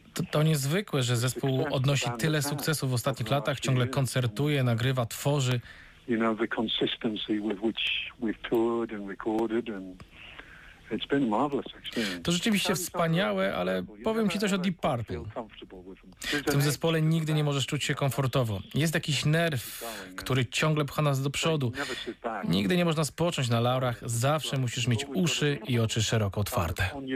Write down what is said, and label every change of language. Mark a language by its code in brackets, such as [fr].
[pl] To niezwykłe, że zespół odnosi tyle sukcesów w ostatnich latach, ciągle koncertuje, nagrywa, tworzy. [en] You know, the consistency with which we've toured and recorded and... It's been marvelous experience. [pl] To rzeczywiście wspaniałe, ale powiem ci coś o Deep Purple. W tym zespole nigdy nie możesz czuć się komfortowo. Jest jakiś nerw, który ciągle pcha nas do przodu. Nigdy nie można spocząć na laurach. Zawsze musisz mieć uszy i oczy szeroko otwarte.